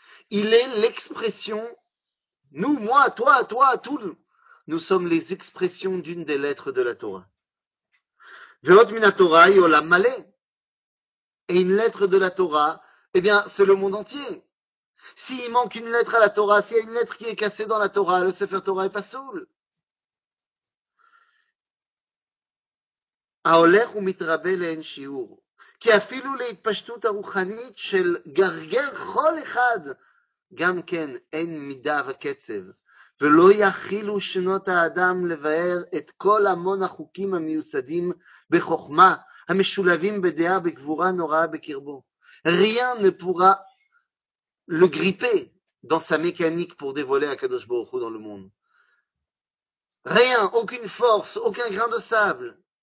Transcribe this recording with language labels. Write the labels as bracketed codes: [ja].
[fr] Il est l'expression, nous, moi, toi, toi, tout, nous sommes les expressions d'une des lettres de la Torah. [he] Veot min haTorah yola male. [fr] Et une lettre de la Torah, eh bien, c'est le monde entier. S'il manque une lettre à la Torah, s'il y a une lettre qui est cassée dans la Torah, le Sefer Torah est pas soul. [he] ההולך ומתרבה לאין שיעור, כי אפילו להתפשטות הרוחנית של גרגר כל אחד, גם כן אין מידה וקצב, ולא יכילו שנות האדם לבאר את כל המון החוקים המיוסדים בחוכמה, המשולבים בדעה בגבורה נוראה בקרבו. [fr] Rien ne pourra le gripper dans sa mécanique pour dévoiler הקדוש ברוך הוא dans le monde. Rien, aucune force, aucun grain de sable.